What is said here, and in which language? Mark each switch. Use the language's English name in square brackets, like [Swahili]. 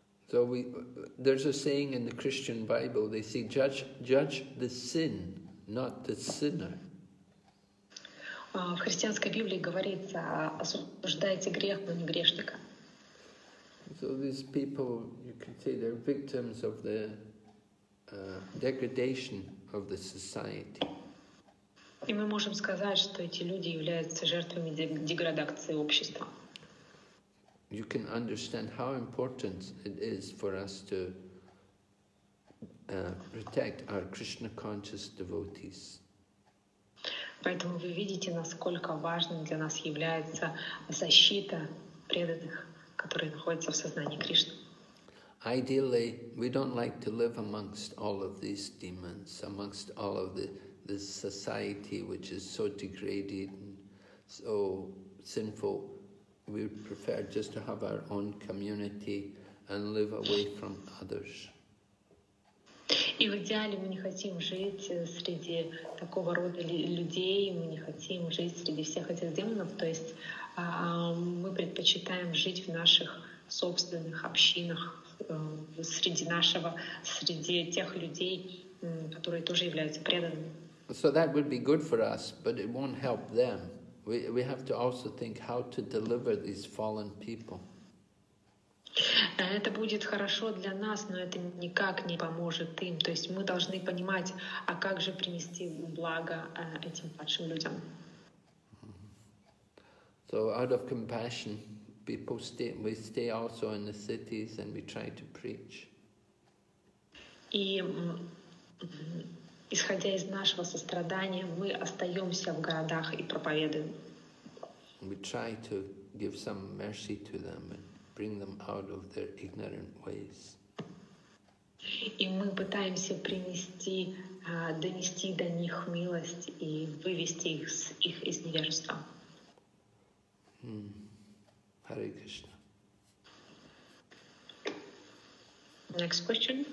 [English] So there's a saying in the Christian Bible, they say, judge the sin, not the sinner. [Russian] В христианской Библии говорится, осуждайте грех, но не грешника. [English] So these people, you can say, they're victims of the degradation of the society. [Russian] И мы можем сказать, что эти люди являются жертвами деградации общества. [English] You can understand how important it is for us to protect our Krishna conscious devotees. [Russian] Поэтому вы видите, насколько важным для нас является защита преданных, которые находятся в сознании Кришны. [English] Ideally, we don't like to live amongst all of these demons, amongst all of the society which is so degraded and so sinful. We prefer just to have our own community and live away from others. [Russian] И в идеале мы не хотим жить среди такого рода людей, мы не хотим жить среди всех этих демонов, то есть мы предпочитаем жить в наших собственных общинах, среди тех людей, которые тоже являются преданными. [English] So that would be good for us, but it won't help them. We have to also think how to deliver these fallen people. [Russian] Это будет хорошо для нас, но это никак не поможет им. То есть мы должны понимать, а как же принести благо этим падшим людям. [English] So out of compassion, people we stay also in the cities and we try to preach. [Russian] И исходя из нашего сострадания, мы остаемся в городах и проповедуем. [English] We try to give some mercy to them and bring them out of their ignorant ways. [Russian] И мы пытаемся принести, донести до них милость и вывести их из невежества. [English] Hare Krishna. Next question.